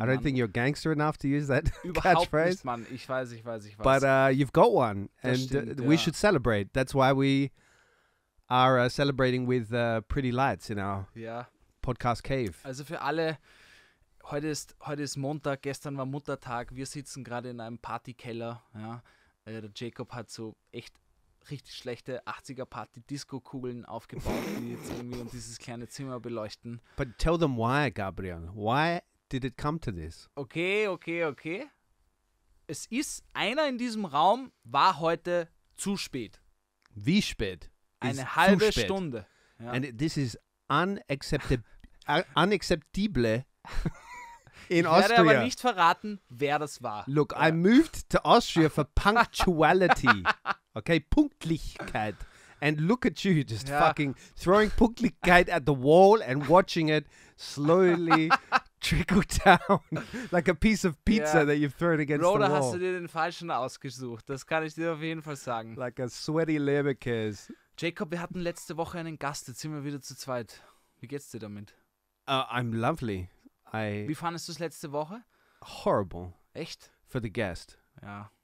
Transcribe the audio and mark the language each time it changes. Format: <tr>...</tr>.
<en>I don't think you're gangster enough to use that</en> <de>überhaupt</de> <en>catchphrase.</en> <de>Nicht, Mann. Ich weiß.</de> <en>But you've got one, we should celebrate. That's why we are celebrating with pretty lights in our podcast cave.</en> <de>Also für alle, heute ist Montag, gestern war Muttertag, wir sitzen gerade in einem Partykeller. Ja. Der Jacob hat so echt richtig schlechte 80er-Party-Disco-Kugeln aufgebaut, die jetzt irgendwie in dieses kleine Zimmer beleuchten.</de> <en>But tell them why, Gabriel. Why did it come to this? Okay.</en> <de>Es ist, einer in diesem Raum war heute zu spät. Wie spät? Eine halbe Stunde.</de> <en>Ja. And this is unacceptable in Austria.</en> <de>Ich werde aber nicht verraten, wer das war.</de> <en>Look, I moved to Austria for punctuality.</en> <de>Okay, Punktlichkeit.</de> <en>And look at you, just fucking throwing Punktlichkeit at the wall and watching it slowly trickle down like a piece of pizza that you've thrown against</en> <de>Roder,</de> <en>the wall.</en> <de>Roder, hast du dir den falschen ausgesucht? Das kann ich dir auf jeden Fall sagen.</de> <en>Like a sweaty Leberkäse.</en> <de>Jacob, wir hatten letzte Woche einen Gast, jetzt sind wir wieder zu zweit. Wie geht's dir damit?</de> <en>I'm lovely.</en> <de>Wie fandest du es letzte Woche?</de> <en>Horrible.</en> <de>Echt?</de> <en>For the guest.</en> <de>Ja.</de>